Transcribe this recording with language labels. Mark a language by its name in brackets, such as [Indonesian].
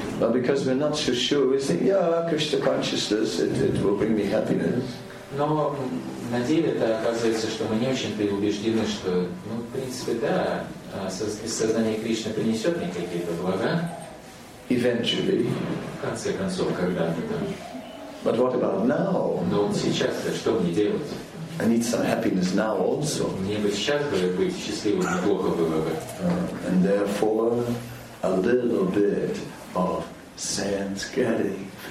[English] But because we're not so sure, we think, yeah, Krishna consciousness, it will bring me happiness. [Russian] Но на деле это оказывается, что мы не очень-то убеждены, что, ну, в принципе, да, сознание Кришны принесет мне какие-то блага. [English] Eventually. [Russian] В конце концов, когда-то. Да. [English] But what about now? [Russian] Но вот сейчас-то что мне делать? [English] I need some happiness now also. [Russian] Мне бы сейчас быть счастливым, неплохо было бы. [English] And therefore, a little bit of sense getting.